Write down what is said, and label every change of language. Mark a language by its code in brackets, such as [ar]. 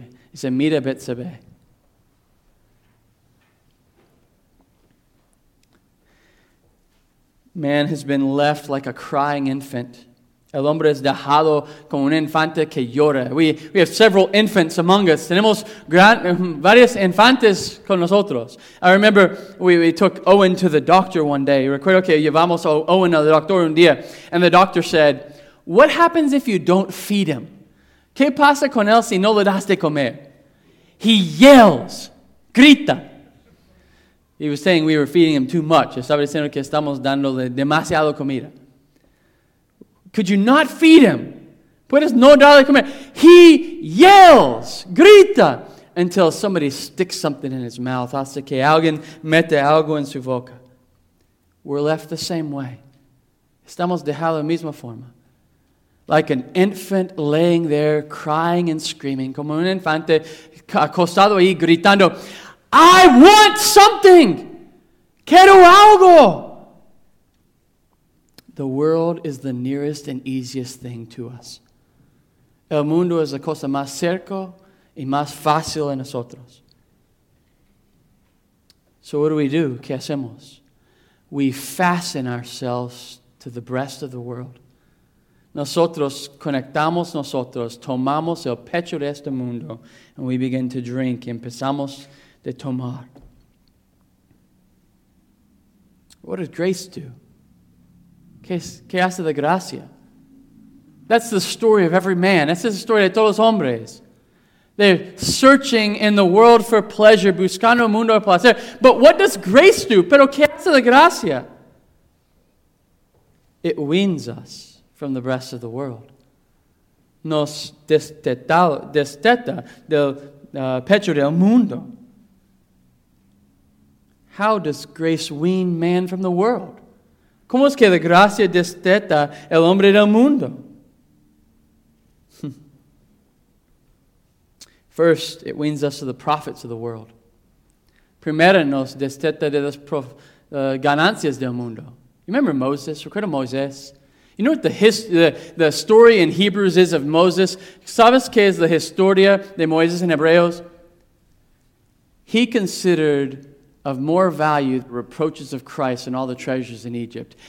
[en] He said, [es] mira [en] Bathsheba. Man has been left like a crying infant. [es] El hombre es dejado como un infante que llora. [en] We have several infants among us. [es] Tenemos varios infantes con nosotros. [en] I remember we took Owen to the doctor one day. [es] Recuerdo que llevamos a Owen al doctor un día. [en] And the doctor said, "What happens if you don't feed him? [es] ¿Qué pasa con él si no le das de comer?" [en] He yells, [es] grita. [en] He was saying we were feeding him too much. [es] Estaba diciendo que estamos dándole demasiado comida. [en] Could you not feed him? [es] Puedes no darle comer. [en] He yells, [es] grita, [en] until somebody sticks something in his mouth. [es] Hasta que alguien mete algo en su boca. [en] We're left the same way. [es] Estamos dejado de la misma forma. [en] Like an infant laying there, crying and screaming. [es] Como un infante acostado ahí, gritando, [en] "I want something! [es] Quiero algo!" [en] The world is the nearest and easiest thing to us. [es] El mundo es la cosa más cerca y más fácil en nosotros. So what do? ¿Qué hacemos? [en] We fasten ourselves to the breast of the world. [es] Nosotros conectamos nosotros, tomamos el pecho de este mundo, [en] and we begin to drink, [es] empezamos de tomar. What does grace do? ¿Qué hace la gracia? [en] That's the story of every man. That's the story [es] de todos los hombres. [en] They're searching in the world for pleasure, [es] buscando el mundo de placer. But what does grace do? ¿Pero qué hace la gracia? [en] It weans us from the breast of the world. [es] Nos desteta del pecho del mundo. [en] How does grace wean man from the world? [es] ¿Cómo es que la gracia desteta el hombre del mundo? [en] First, it weans us to the profits of the world. [es] Primero, nos desteta de las ganancias del mundo. [en] You remember Moses? [es] Recuerda [en] Moses? You know what the story in Hebrews is of Moses? [es] ¿Sabes qué es la historia de Moisés en Hebreos? [en] He considered of more value the reproaches of Christ and all the treasures in Egypt.